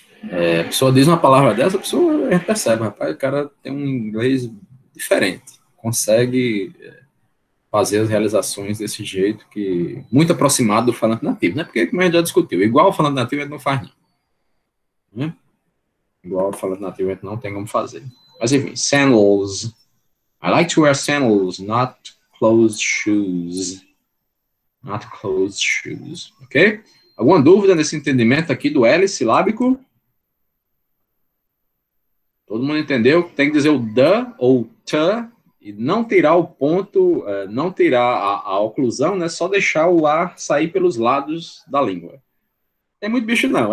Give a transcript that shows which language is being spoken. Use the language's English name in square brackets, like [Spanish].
[Portuguese] É, a pessoa diz uma palavra dessa, a pessoa percebe, rapaz, o cara tem um inglês diferente, consegue fazer as realizações desse jeito que muito aproximado do falante nativo, né? Porque, como a gente já discutiu, igual o falante nativo, a gente não faz não. Né? Igual o falante nativo, a gente não tem como fazer. Mas, enfim, sandals. [English] I like to wear sandals, not closed shoes. Not closed shoes. Ok? [Portuguese] Alguma dúvida nesse entendimento aqui do L silábico? Todo mundo entendeu? Tem que dizer o the ou ta e não tirar o ponto, não tirar a oclusão, né? Só deixar o ar sair pelos lados da língua. É muito bicho, não.